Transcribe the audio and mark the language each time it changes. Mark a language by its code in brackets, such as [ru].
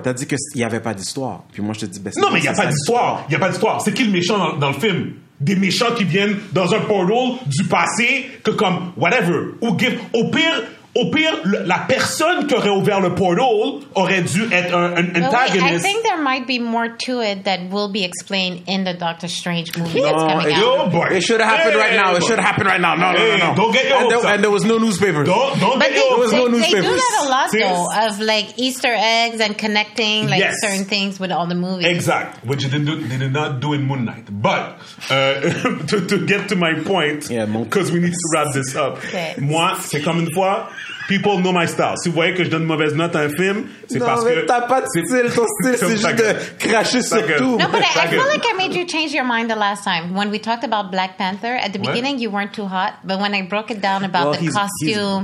[fr] T'as dit que il y avait pas d'histoire. Puis moi, je te dis, ben. Non, mais il y a pas d'histoire. Il y a pas d'histoire. C'est qui le méchant dans le film? Des méchants qui viennent dans un portal du passé que comme whatever. Au pire, la personne qui aurait ouvert le portal aurait dû être un antagoniste. [en] I think there might be more to it that will be explained in the Doctor Strange movie that's coming out. Yo, boy. It should happen right now. It should happen right now. No. Don't get your hopes up. And there was no newspapers. There was no newspapers. They do that a lot, though, of like Easter eggs and connecting like certain things with all the movies. [fr] Exact. [en] Which they did not do in Moon Knight. But to get to my point, because we need to wrap this up. Okay. [fr] Moi, c'est comme une fois... [en] People know my style. [fr] Si vous voyez que je donne une mauvaise note à un film, c'est non, parce que... Non, mais t'as pas de style. Ton style, c'est juste de cracher sur tout. [en] No, but I feel like I made you change your mind the last time. When we talked about Black Panther, at the beginning, you weren't too hot. But when I broke it down about the costume,